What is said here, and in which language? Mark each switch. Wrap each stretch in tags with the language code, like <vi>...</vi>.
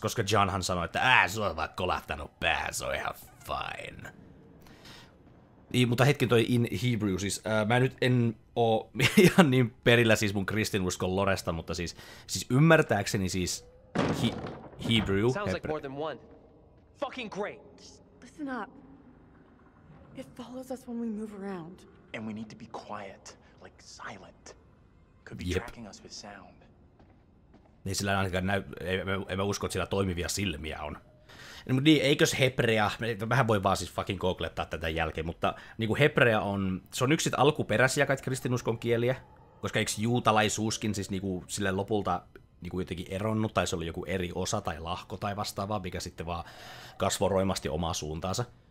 <fi>Koska Johnhan sanoi, että se on vaan kolahtanut pää, se on ihan fine. Mutta hetken toi</fi> <en>in Hebrew,</en> <fi>siis mä nyt en oo ihan niin perillä siis mun kristinuskon loresta, mutta siis ymmärtääkseni siis Hebrew.</fi> <en>Sounds like more than one. Fucking great. Listen up. It follows us when we move around. And we need to be quiet, like silent. Could be tracking us with sound.</en> <fi>Niin sillä ainakaan näy, en mä usko, että sillä toimivia silmiä on. Niin, eikös hebrea, mähän voi vaan siis fucking googlettaa tätä jälkeen, mutta niin kuin hebrea on, se on yksi sit alkuperäisiä kaikki kristinuskon kieliä, koska eikö juutalaisuuskin siis niin kuin sille lopulta niin kuin jotenkin eronnut, tai se oli joku eri osa tai lahko tai vastaava, mikä sitten vaan kasvoi roimasti omaa suuntaansa.</fi>